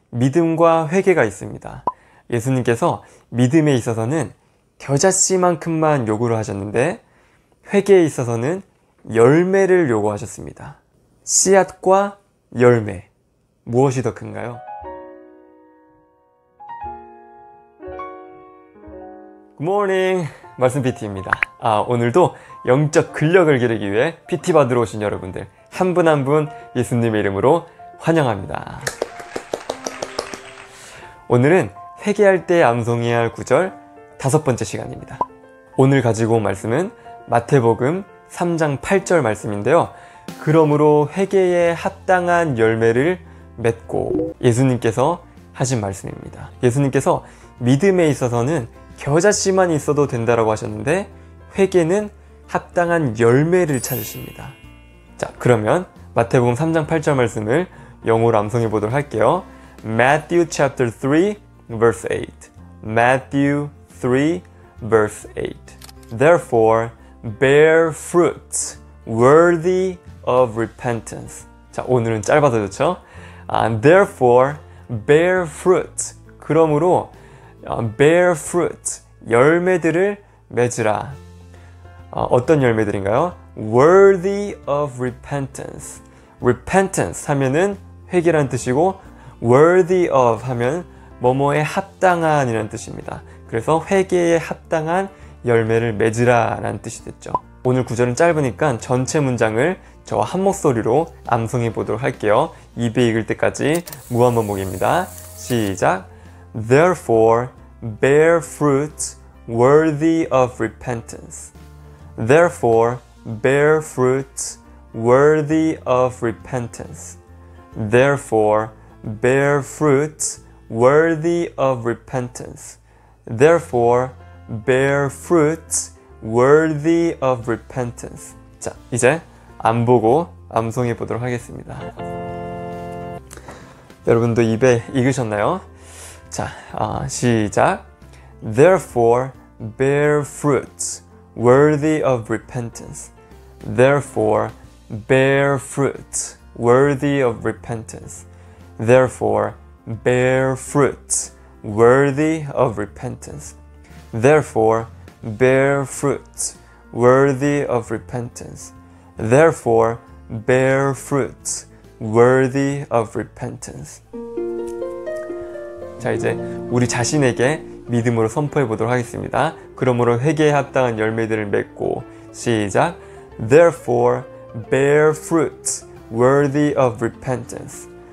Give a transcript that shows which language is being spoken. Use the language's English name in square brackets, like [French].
[Korean] 믿음과 회개가 있습니다. 예수님께서 믿음에 있어서는 겨자씨만큼만 요구를 하셨는데, 회개에 있어서는 열매를 요구하셨습니다. 씨앗과 열매, 무엇이 더 큰가요? [English] Good morning, [Korean] 말씀 PT입니다. 오늘도 영적 근력을 기르기 위해 PT 받으러 오신 여러분들, 한분한분 예수님의 이름으로 환영합니다. 오늘은 회개할 때 암송해야 할 구절 다섯 번째 시간입니다. 오늘 가지고 온 말씀은 마태복음 3장 8절 말씀인데요. 그러므로 회개에 합당한 열매를 맺고, 예수님께서 하신 말씀입니다. 예수님께서 믿음에 있어서는 겨자씨만 있어도 된다라고 하셨는데, 회개는 합당한 열매를 찾으십니다. 자, 그러면 마태복음 3장 8절 말씀을 영어로 암송해 보도록 할게요. [English] Matthew chapter 3 verse 8. Matthew 3 verse 8. Therefore, bear fruits worthy of repentance. [Korean] 자, 오늘은 짧아서 좋죠? [English] Therefore, bear fruits. [Korean] 그러므로 [English] bear fruit, [Korean] 열매들을 맺으라. 어떤 열매들인가요? [English] Worthy of repentance. [Korean] Repentance 하면은 회개라는 뜻이고, worthy of 하면 뭐뭐에 합당한이라는 뜻입니다. 그래서 회개에 합당한 열매를 맺으라라는 뜻이 됐죠. 오늘 구절은 짧으니까 전체 문장을 저와 한 목소리로 암송해 보도록 할게요. 입에 익을 때까지 무한반복입니다. 시작. [English] Therefore, bear fruits worthy of repentance. Therefore, bear fruits worthy of repentance. Therefore, bear fruits worthy of repentance. Therefore, bear fruits worthy of repentance. [Korean] 자, 이제 안 보고 암송해 보도록 하겠습니다. 여러분도 입에 익으셨나요? 자, 시작. [English] Therefore, bear fruits worthy of repentance. Therefore, bear fruits worthy of repentance. Therefore, bear fruits worthy of repentance. Therefore, bear fruits worthy of repentance. Therefore, bear fruits worthy of repentance. [Korean] 자, 이제 우리 자신에게 믿음으로 선포해 보도록 하겠습니다. 그러므로 회개에 합당한 열매들을 맺고, 시작. [English] Therefore, bear fruits worthy of repentance.